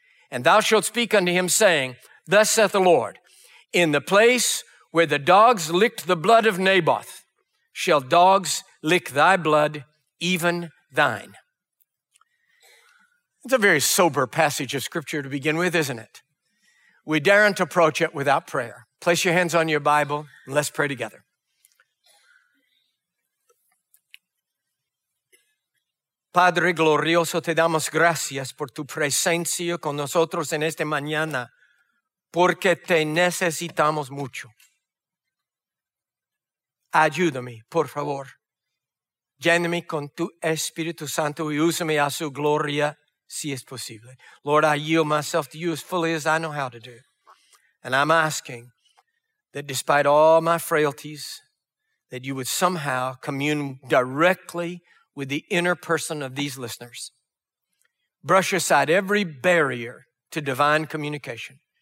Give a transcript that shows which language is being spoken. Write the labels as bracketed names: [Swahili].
[English] And thou shalt speak unto him, saying, thus saith the Lord, in the place where the dogs licked the blood of Naboth, shall dogs lick thy blood, even thine. It's a very sober passage of scripture to begin with, isn't it? We daren't approach it without prayer. Place your hands on your Bible and let's pray together. [Spanish] Padre glorioso, te damos gracias por tu presencia con nosotros en esta mañana, porque te necesitamos mucho. Ayúdame, por favor. Lléname con tu Espíritu Santo y úsame a su gloria, si es posible. [English] Lord, I yield myself to you as fully as I know how to do. And I'm asking that despite all my frailties, that you would somehow commune directly with the inner person of these listeners. Brush aside every barrier to divine communication.